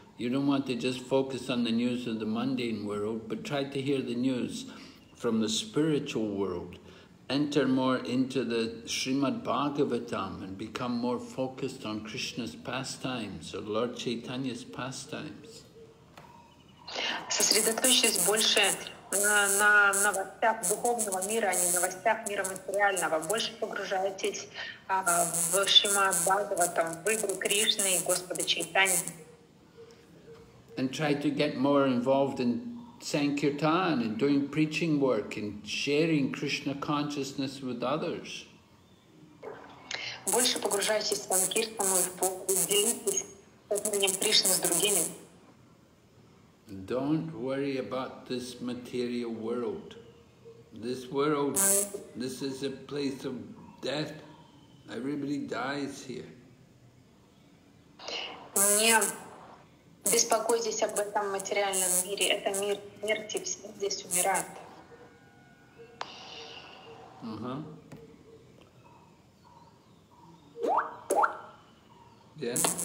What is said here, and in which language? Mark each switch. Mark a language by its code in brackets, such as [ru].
[en] You don't want to just focus on the news of the mundane world, but try to hear the news from the spiritual world. Enter more into the Srimad Bhagavatam and become more focused on Krishna's pastimes or Lord Chaitanya's pastimes. [ru] Сосредоточьтесь больше на новостях духовного мира, а не новостях мира материального. Больше погружайтесь в Шримад Бхагаватам, в игру Кришны и Господа Чайтаньи. [en] And try to get more involved in Sankirtan and doing preaching work and sharing Krishna consciousness with others. [ru] больше погружайтесь в санкиртану и в Бог, делитесь сознанием Кришны с другими. [en] Don't worry about this material world. This world, this is a place of death. Everybody dies here. [ru] Не беспокойтесь об этом материальном мире. Это мир смерти. Все здесь умирают. [en] Uh-huh. Yes.